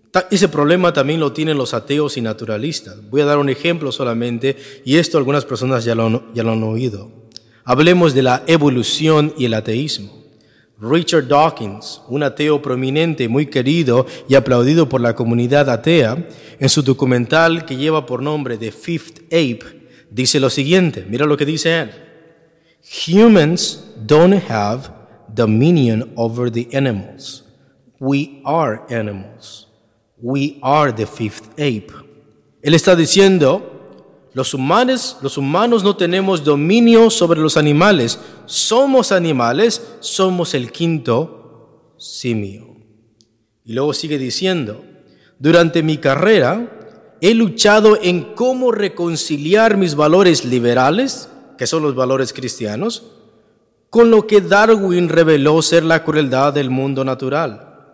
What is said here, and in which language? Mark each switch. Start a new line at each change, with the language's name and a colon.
Spanish: Ese problema también lo tienen los ateos y naturalistas. Voy a dar un ejemplo solamente, y esto algunas personas ya lo han oído. Hablemos de la evolución y el ateísmo. Richard Dawkins, un ateo prominente, muy querido y aplaudido por la comunidad atea, en su documental que lleva por nombre The Fifth Ape, dice lo siguiente, mira lo que dice él.
English: Humans don't have dominion over the animals. We are animals. We are the fifth ape.
Spanish: Él está diciendo, los humanos no tenemos dominio sobre los animales. Somos animales, somos el quinto simio. Y luego sigue diciendo, durante mi carrera he luchado en cómo reconciliar mis valores liberales, que son los valores cristianos, con lo que Darwin reveló ser la crueldad del mundo natural.